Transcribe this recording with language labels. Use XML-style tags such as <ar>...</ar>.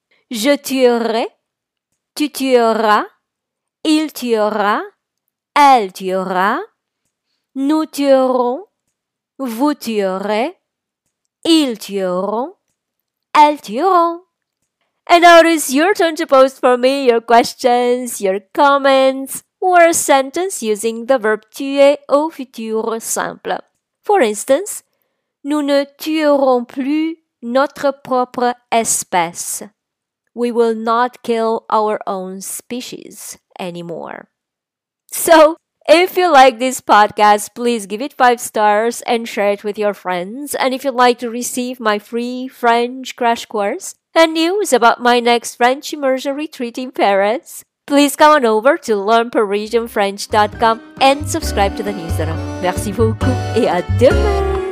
<fr>Je tuerai, tu tueras, il tuera, elle tuera. Nous tuerons, vous tuerez, ils tueront, elles tueront.</fr> <en>And now it is your turn to post for me your questions, your comments, or a sentence using the verb</en> <fr>tuer au futur simple.</fr> <en>For instance,</en> <fr>nous ne tuerons plus notre propre espèce.</fr> <en>We will not kill our own species anymore. So, if you like this podcast, please give it 5 stars and share it with your friends. And if you'd like to receive my free French crash course and news about my next French immersion retreat in Paris, please come on over to learnparisianfrench.com and subscribe to the newsletter.</en> <fr>Merci beaucoup et à demain!</fr>